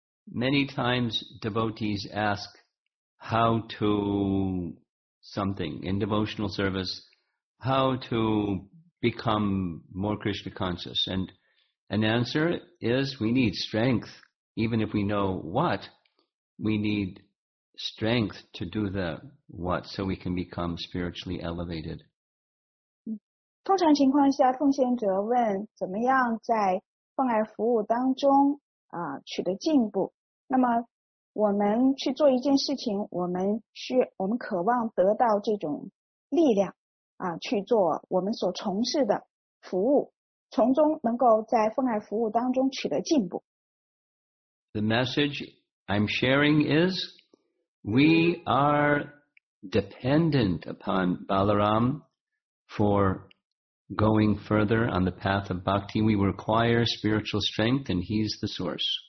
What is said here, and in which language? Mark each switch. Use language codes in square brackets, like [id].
[en] Many times devotees ask how to something in devotional service, how to become more Krishna conscious. And an answer is we need strength. Even if we know what, we needstrength to do the what so we can become spiritually elevated. [zh] 通常情况下奉献者问怎么样在奉爱服务当中啊取得进步。那么我们去做一件事情我们渴望得到这种力量啊去做我们所从事的服务从中能够在奉爱服务当中取得进步。 [en] The message I'm sharing is,We are dependent upon Balaram for going further on the path of bhakti. We require spiritual strength, and he's the source.